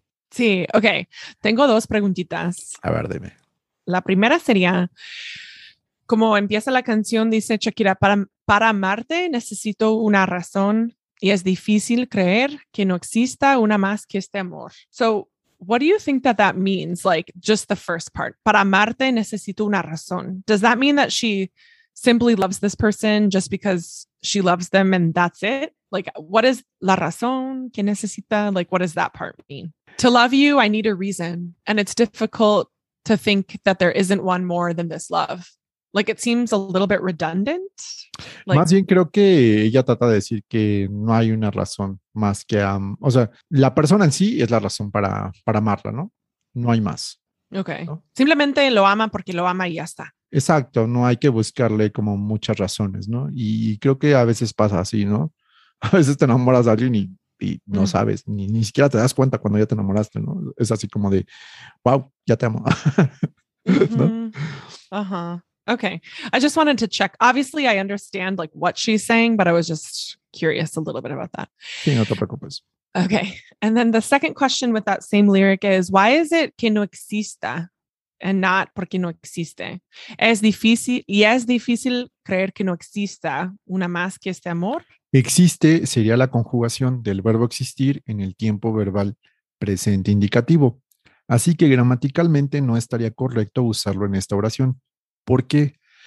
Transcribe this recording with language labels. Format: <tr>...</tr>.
<es>Sí, ok. Tengo dos preguntitas. A ver, dime. La primera sería, como empieza la canción, dice Shakira, para amarte necesito una razón, Y es difícil creer que no exista una más que este amor.</es> <en>So, what do you think that that means? Like, just the first part.</en> <es>Para amarte necesito una razón.</es> <en>Does that mean that she simply loves this person just because she loves them and that's it? Like, what is</en> <es>la razón que necesita?</es> <en>Like, what does that part mean? To love you, I need a reason. And it's difficult to think that there isn't one more than this love. Like, it seems a little bit redundant.</en> <es>Like, más bien creo que ella trata de decir que no hay una razón más que, o sea, la persona en sí es la razón para amarla, ¿no? No hay más. Okay. ¿No? Simplemente lo ama porque lo ama y ya está. Exacto, no hay que buscarle como muchas razones, ¿no? Y creo que a veces pasa así, ¿no? A veces te enamoras de alguien y no sabes, ni siquiera te das cuenta cuando ya te enamoraste, ¿no? Es así como de, wow, ya te amo.</es> <en>¿No? Uh-huh. Okay. I just wanted to check. Obviously, I understand like what she's saying, but I was just curious a little bit about that.</en> <es>Sí, no te preocupes.</es> <en>Okay. And then the second question with that same lyric is, why is it</en> <es>que no exista</es> <en>and not</en> <es>porque no existe? Es difícil, y es difícil creer que no exista una más que este amor. Existe sería la conjugación del verbo existir en el tiempo verbal presente indicativo. Así que gramaticalmente no estaría correcto usarlo en esta oración. ¿Por qué?</es>